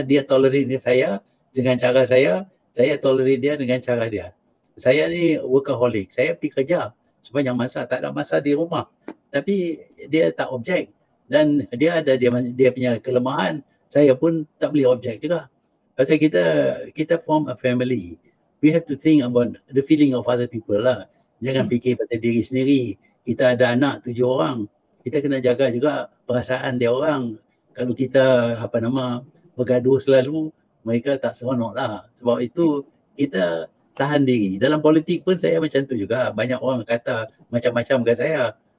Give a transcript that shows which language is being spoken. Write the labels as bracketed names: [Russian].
[Malay] Dia tolerate saya dengan cara saya, saya tolerate dia dengan cara dia. Saya ni workaholic. Saya pergi kerja sepanjang masa. Tak ada masa di rumah. Tapi dia tak objek. Dan dia ada dia punya kelemahan. Saya pun tak boleh objek juga. Pasal kita form a family. [English] We have to think about the feeling of other people lah. [Malay] Jangan fikir pasal diri sendiri. Kita ada anak 7 orang. Kita kena jaga juga perasaan dia orang. Kalau kita bergaduh selalu, mereka tak seronok lah. Sebab itu kita tahan diri. Dalam politik pun saya macam tu juga. Banyak orang kata macam-macam kat saya.